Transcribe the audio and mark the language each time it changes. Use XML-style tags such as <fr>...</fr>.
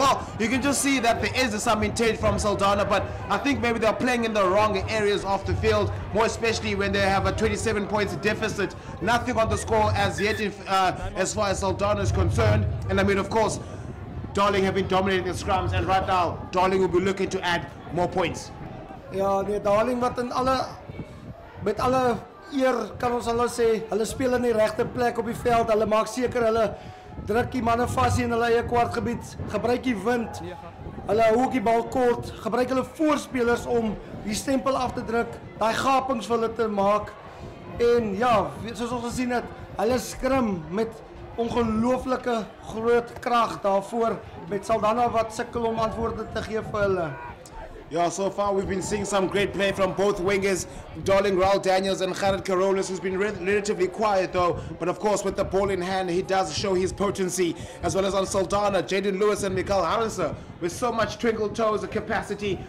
<en>Well, you can just see that there is some intent from Saldanha, but I think maybe they're playing in the wrong areas of the field, more especially when they have a 27 points deficit. Nothing on the score as yet as far as Saldanha is concerned. And I mean, of course, Darling have been dominating the scrums, and right now, Darling will be looking to add more points. Yeah, the Darling, but</en> <af>in alle, met alle eer kan ons hulle sê, hulle speel in die rechte plek op die veld, hulle maak seker hulle druk die manne vas in hulle eie kwartgebied, gebruik die wind, hulle hou ook die bal kort, gebruik hulle voorspelers om die stempel af te druk, die gapings vir hulle te maak, en ja, soos ons gesien het, hulle skrim met ongelooflike groot krag daarvoor, met Saldanha wat sukkel om antwoorde te gee vir hulle.</af> <en>Yeah, so far we've been seeing some great play from both wingers, Darling Raul Daniels and Gerard Carolus, who's been relatively quiet though, but of course with the ball in hand, he does show his potency, as well as on Saldanha, Jaden Lewis and Mikael Harrison, with so much twinkle toes of capacity.</en>